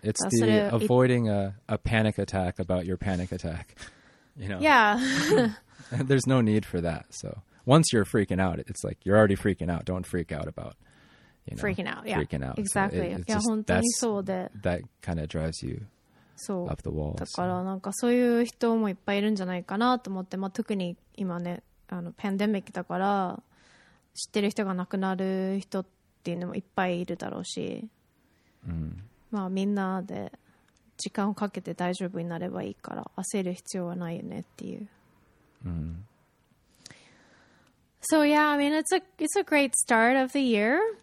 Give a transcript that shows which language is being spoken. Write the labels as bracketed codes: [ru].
[en] It's the sort of avoiding a panic attack about your panic attack, you know? Yeah. There's no need for that. So once you're freaking out, it's like, you're already freaking out. Don't freak out about, you know, freaking out. Yeah, freaking out. Exactly. So it's just, yeah, [ja] 本当にそうで、 [en] that kind of drives you up the wall. [ja] だからなんかそういう人もいっぱいいるんじゃないかなと思って、まあ、特に今ね、あのパンデミックだから知ってる人が亡くなる人っていうのもいっぱいいるだろうし。まあ、みんなで時間をかけて大丈夫になればいいから焦る必要はないよねっていう。 [en] So yeah, I mean, it's a great start of the year.